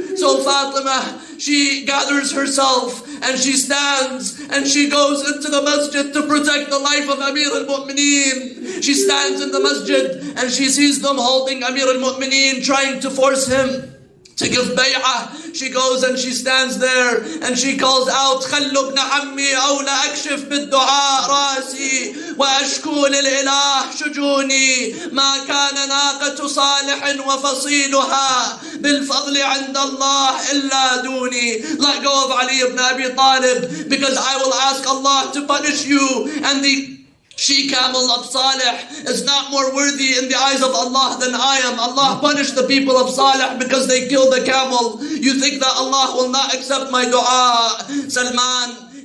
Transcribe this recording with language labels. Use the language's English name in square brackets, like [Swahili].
[English] So Fatima, she gathers herself and she stands and she goes into the masjid to protect the life of Amir al-Mu'mineen. She stands in the masjid and she sees them holding Amir al-Mu'mineen, trying to force him to give bay'ah. She goes and she stands there and she calls out, [Arabic] خَلُّ ابْنَ عَمِّي أَوْ لَأَكْشِفْ بِالدُّعَاءِ رَاسِي وَأَشْكُو لِلْإِلَهِ شُجُونِي مَا كَانَ نَاقَةُ صَالِحٍ وَفَصِيلُهَا بِالْفَضْلِ عِنْدَ اللَّهِ إِلَّا دُونِي. [English] Let go of Ali ibn Abi Talib, because I will ask Allah to punish you, and the she camel of Saleh is not more worthy in the eyes of Allah than I am. Allah punished the people of Saleh because they killed the camel. You think that Allah will not accept my dua? Salman,